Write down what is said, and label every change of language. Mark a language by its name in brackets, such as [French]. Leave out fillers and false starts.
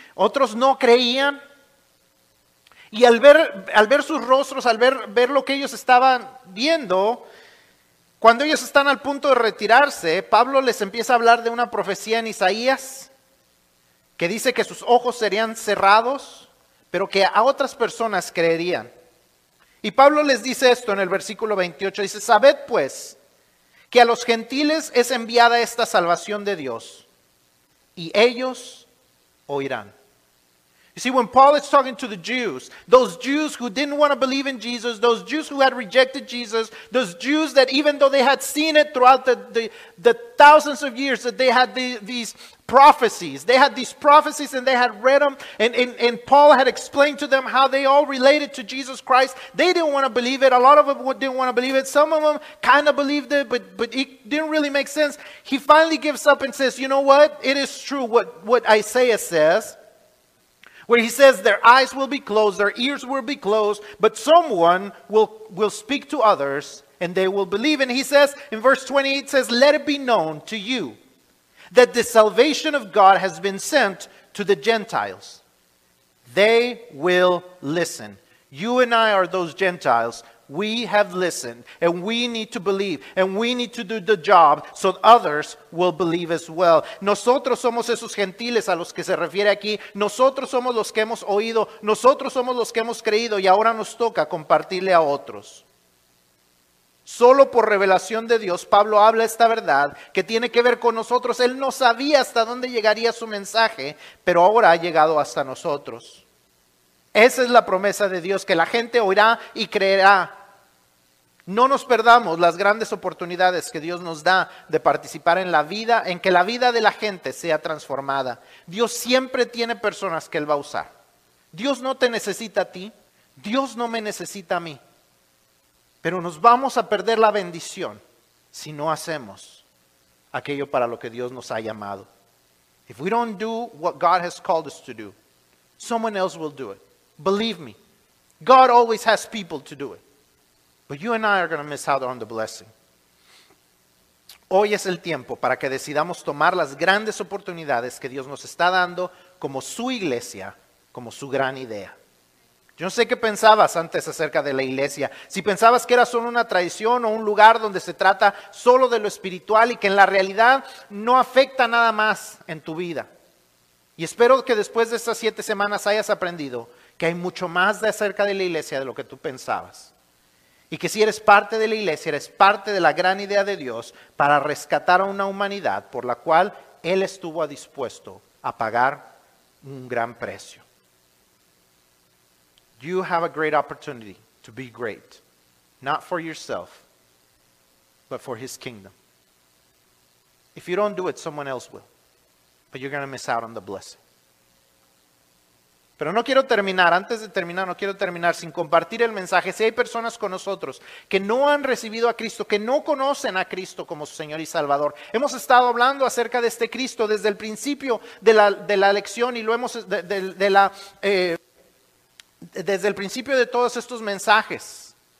[Spanish] Otros no creían. Y al ver sus rostros, al ver lo que ellos estaban viendo, cuando ellos están al punto de retirarse, Pablo les empieza a hablar de una profecía en Isaías, que dice que sus ojos serían cerrados, pero que a otras personas creerían. Y Pablo les dice esto en el versículo 28, dice, sabed pues, que a los gentiles es enviada esta salvación de Dios, y ellos oirán. [English] You see, when Paul is talking to the Jews, those Jews who didn't want to believe in Jesus, those Jews who had rejected Jesus, those Jews that even though they had seen it throughout the thousands of years that they had these prophecies, they had these prophecies and they had read them, and Paul had explained to them how they all related to Jesus Christ. They didn't want to believe it. A lot of them didn't want to believe it. Some of them kind of believed it, but it didn't really make sense. He finally gives up and says, you know what? It is true what Isaiah says. Where he says their eyes will be closed, their ears will be closed, but someone will speak to others and they will believe. And he says in verse 28, it says, let it be known to you that the salvation of God has been sent to the Gentiles. They will listen. You and I are those Gentiles. We have listened and we need to believe and we need to do the job so others will believe as well. [Spanish] Nosotros somos esos gentiles a los que se refiere aquí. Nosotros somos los que hemos oído. Nosotros somos los que hemos creído y ahora nos toca compartirle a otros. Solo por revelación de Dios, Pablo habla esta verdad que tiene que ver con nosotros. Él no sabía hasta dónde llegaría su mensaje, pero ahora ha llegado hasta nosotros. Esa es la promesa de Dios, que la gente oirá y creerá. No nos perdamos las grandes oportunidades que Dios nos da de participar en la vida, en que la vida de la gente sea transformada. Dios siempre tiene personas que Él va a usar. Dios no te necesita a ti, Dios no me necesita a mí. Pero nos vamos a perder la bendición si no hacemos aquello para lo que Dios nos ha llamado. [English] If we don't do what God has called us to do, someone else will do it. Believe me, God always has people to do it. But you and I are going to miss out on the blessing. [Spanish] Hoy es el tiempo para que decidamos tomar las grandes oportunidades que Dios nos está dando como su iglesia, como su gran idea. Yo no sé qué pensabas antes acerca de la iglesia. Si pensabas que era solo una tradición o un lugar donde se trata solo de lo espiritual y que en la realidad no afecta nada más en tu vida. Y espero que después de estas 7 semanas hayas aprendido que hay mucho más de acerca de la iglesia de lo que tú pensabas. Y que si eres parte de la iglesia, eres parte de la gran idea de Dios para rescatar a una humanidad por la cual Él estuvo dispuesto a pagar un gran precio. [English] You have a great opportunity to be great, not for yourself, but for His kingdom. If you don't do it, someone else will. But you're going to miss out on the blessing. [Spanish] Pero no quiero terminar, antes de terminar, no quiero terminar sin compartir el mensaje. Si hay personas con nosotros que no han recibido a Cristo, que no conocen a Cristo como su Señor y Salvador. Hemos estado hablando acerca de este Cristo desde el principio de la lección y lo hemos desde el principio de todos estos mensajes.